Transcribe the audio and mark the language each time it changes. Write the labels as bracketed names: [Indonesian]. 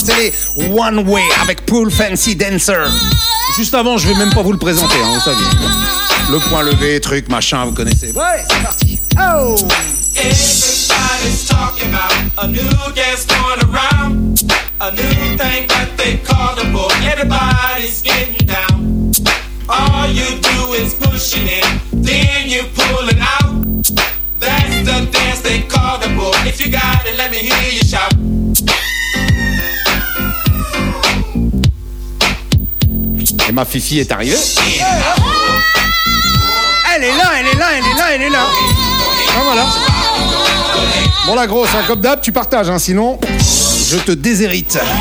[French] C'est les One Way avec Pool Fancy Dancer. Juste avant, je vais même pas vous le présenter, hein, vous savez. Le point levé, truc, machin, vous connaissez. Ouais, c'est parti. Oh! [English] Everybody's talking about a new guest going around, a new thing that they call the bull. Everybody's getting down. All you do is pushing in, then you pulling out. That's the dance they call the bull. If you got it, let me hear you shout. [French] Et ma fifi est arrivée. Elle est là, elle est là, elle est là, elle est là. Ah, voilà. Bon, la grosse, hein, comme d'hab, tu partages, hein, sinon je te déshérite.